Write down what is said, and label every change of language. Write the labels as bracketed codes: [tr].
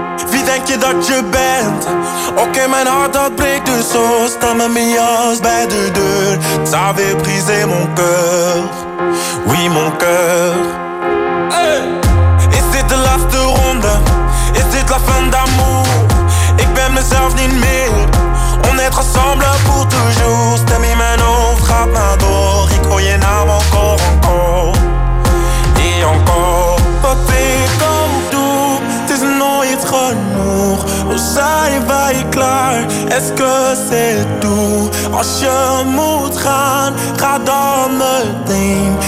[nl] Wie denk je dat je bent? Oké, mijn hart dat breekt dus zo. Sta met mijn jas bij de deur. [fr] Ça veut briser mon cœur. Oui, mon cœur. [nl] Hey! Is dit de laatste ronde? Is dit [fr] la fin d'amour? [nl] Ik ben mezelf niet meer. [fr] On est ensemble pour toujours. [nl] Stem in mijn hoofd, gaat maar door. Ik hoor je naam [fr] encore, encore. [nl] Wat ik ook doe, het is nooit genoeg. Hoe zijn wij klaar? [fr] Est-ce que c'est tout? [nl] Als je moet gaan, ga dan meteen.